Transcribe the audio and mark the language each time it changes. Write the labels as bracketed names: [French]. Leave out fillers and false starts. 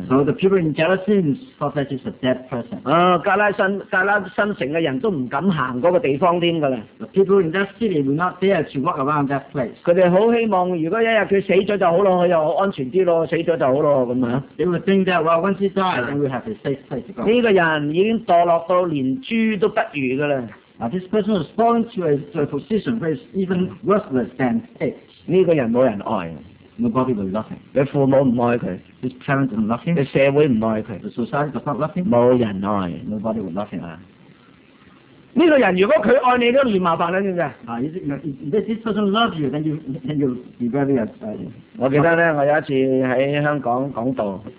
[English] So the people in Galatians thought that he's a dead person. [Cantonese] 啊，格拉森城嘅人都唔敢行嗰個地方添噶啦。 [English] The people in that city would not dare to walk around that place. [Cantonese] 佢哋好希望，如果一日佢死咗就好咯，佢又安全啲咯，死咗就好咯咁啊。 [English] They would think that, well, once he died, then we have a safe place to go. [Cantonese] 呢個人已經墮落到連豬都不如噶啦。 [English] Now this person was born to a position where it's even worthless than pigs. [Cantonese] 呢個人冇人愛。 [English] Nobody will love him. [Cantonese] 佢父母唔愛佢。 [English] His parents don't love him. [Cantonese] 佢社會唔愛佢。 [English] The society does not love him. [Cantonese] 冇人愛。 [English] Nobody will love him. [Cantonese] 呢個人如果佢愛你都嫌麻煩啦，知唔知啊？ [English] This person loves you, then you'll be very upset. [Cantonese] 我記得咧，我有一次喺香港講道。